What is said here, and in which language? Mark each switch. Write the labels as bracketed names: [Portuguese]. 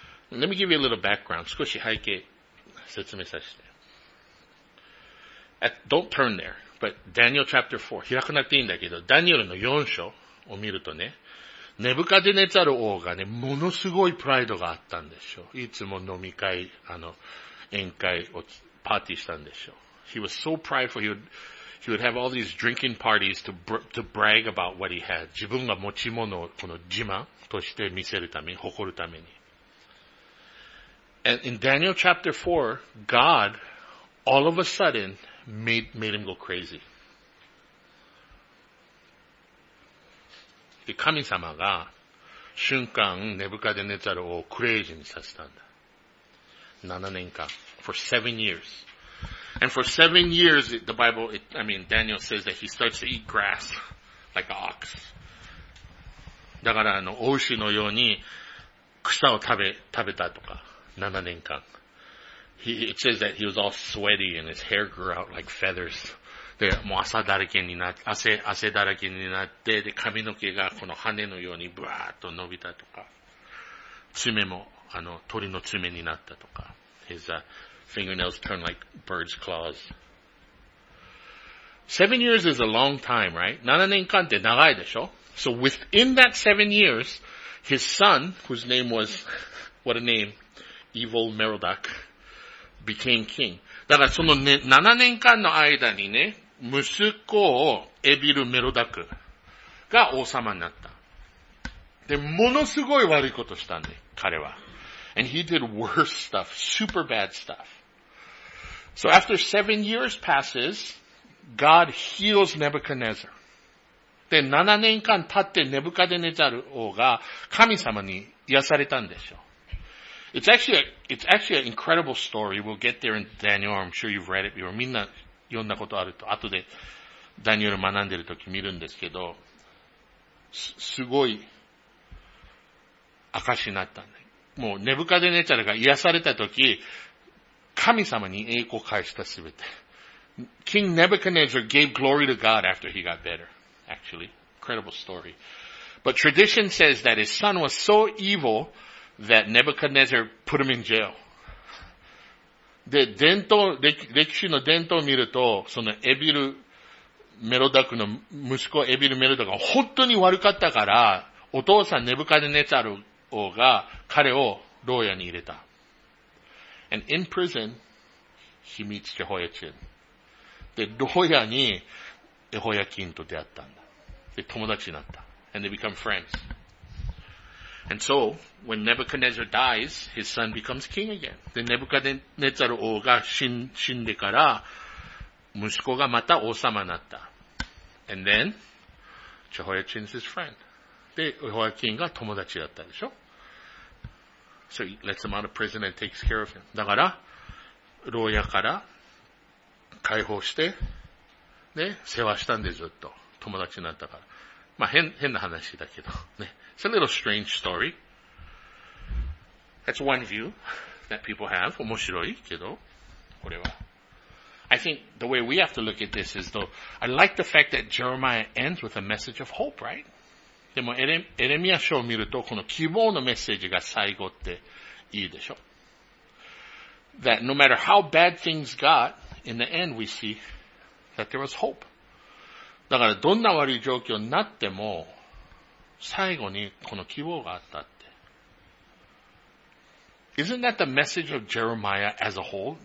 [English] Let me give you a little background. [Japanese] 少し背景説明させて。 [English] Don't turn there, but Daniel chapter 4. [Japanese] 開かなくていいんだけど、ダニエルの4章を見るとね、ネブカデネザル王がね、ものすごいプライドがあったんでしょう。いつも飲み会、宴会をパーティーしたんでしょう。 [English] He was so prideful, he would have all these drinking parties to brag about what he had. [Japanese] 自分が持ち物をこの自慢として見せるために、誇るために。 [English] And in Daniel chapter 4, God, all of a sudden, made him go crazy. [Japanese] で神様が瞬間ネブカデネザルをクレイジーにさせたんだ。 7年間。 [English] For 7 years. And for 7 years, the Bible, Daniel says that he starts to eat grass like an ox. [Japanese] だから牡牛のように草を食べたとか、7年間。 [English] It says that he was all sweaty and his hair grew out like feathers. [Japanese] で、もう汗だらけになって、で、髪の毛がこの羽のようにブワーッと伸びたとか、爪も、鳥の爪になったとか、 [English] his, fingernails turn like bird's claws. 7 years is a long time, right? [Japanese] 7年間って長いでしょ ? [English] So within that 7 years, his son, whose name was, what a name, Evil Merodach, became king. [Japanese] だからその、ね、7年間の間にね、息子をエビル・メロダクが王様になった。で、ものすごい悪いことしたんで、彼は。 [English] And he did worse stuff, super bad stuff. So after 7 years passes, God heals Nebuchadnezzar. [Japanese] で、7年間経ってネブカデネザル王が神様に癒されたんでしょう。 [English] It's actually an incredible story. We'll get there in Daniel. I'm sure you've read it before. [Japanese] みんな読んだことあると、後でダニエル学んでるとき見るんですけど、すごい証になったんだ。もうネブカデネザルが癒されたとき、神様に栄光を返したすべて。 [English] King Nebuchadnezzar gave glory to God after he got better. Actually, incredible story. But tradition says that his son was so evil that Nebuchadnezzar put him in jail. [Japanese] で、歴史の伝統を見ると、そのエビル・メロダクの息子エビル・メロダクが本当に悪かったから、お父さんネブカデネザル王が彼を牢屋に入れた。 [English] And in prison, he meets Jehoiachin. [Japanese] で、牢屋にエホヤキンと出会ったんだ。で、友達になった。 [English] And they become friends. And so,When Nebuchadnezzar dies, his son becomes king again. [Japanese] で、ネブカデネザル王が死んでから、息子がまた王様になった。 [English] And then, Jehoiachin is his friend. [Japanese] で、Jehoiachin が友達だったでしょ。 [English] So he lets him out of prison and takes care of him. [Japanese] だから、牢屋から解放して、ね、世話したんでずっと。友達になったから。まあ、変な話だけど、ね。 [English] It's a little strange story. That's one view that people have. [Japanese] 面白いけど、これは。 [English] I think the way we have to look at this is though, I like the fact that Jeremiah ends with a message of hope, right? [Japanese] でもエレミア書を見ると、この希望のメッセージが最後っていいでしょ。 [English] That no matter how bad things got, in the end we see that there was hope. [Japanese] だからどんな悪い状況になっても、最後にこの希望があった。 [English] Isn't that the message of Jeremiah as a whole?